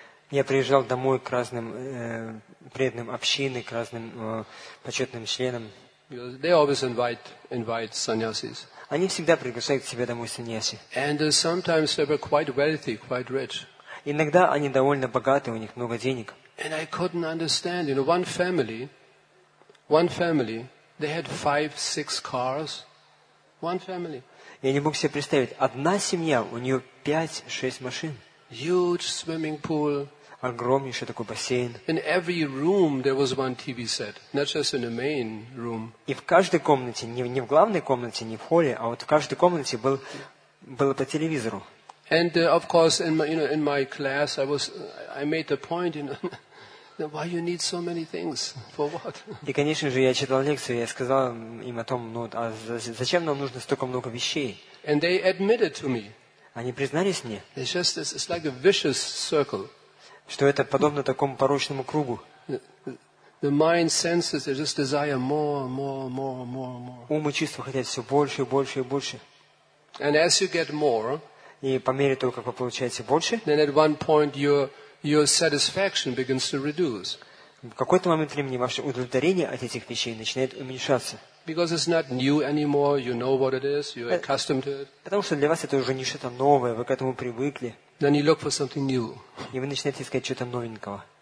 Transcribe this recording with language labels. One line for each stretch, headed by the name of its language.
Russian: Я приезжал домой к разным преданным общины, к разным почетным членам.
English: They always invite sannyasis.
Russian: Они всегда приглашают к себе домой саньяси.
English: And sometimes they were quite wealthy, quite rich.
Russian: Иногда они довольно богаты, у них много денег.
English: And I couldn't understand, you know, one family, they had 5-6 cars. One family.
Russian: Я не мог себе представить, одна семья, у нее 5-6 машин.
English: Huge swimming pool.
Russian: огромнейший такой бассейн.
English: In every room there was one TV set, not just in the main room.
Russian: И в каждой комнате, не в главной комнате, не в холле, а вот в каждой комнате было по телевизору.
English: And of course, in my, you know, in my class, I made the point, you know. Why you need so many things? For what?
Russian: И, конечно же, я читал лекцию, я сказал им о том, ну, а зачем нам нужно столько много вещей?
English: And they admitted to me.
Russian: Они признались мне.
English: It's just this, it's like a vicious circle.
Russian: Что это подобно такому порочному кругу.
English: The mind senses they just desire more.
Russian: Ум и чувства хотят все больше и больше и больше.
English: And as you get more,
Russian: и по мере того, как вы получаете больше,
English: then at one point your satisfaction begins to reduce.
Russian: В какой-то момент времени ваше удовлетворение от этих вещей начинает уменьшаться.
English: Because it's not new anymore, you know what it is, you're accustomed to it.
Russian: Потому что для вас это уже не что-то новое, вы к этому привыкли.
English: Then you look for something new.
Russian: И вы начинаете искать что-то новенького.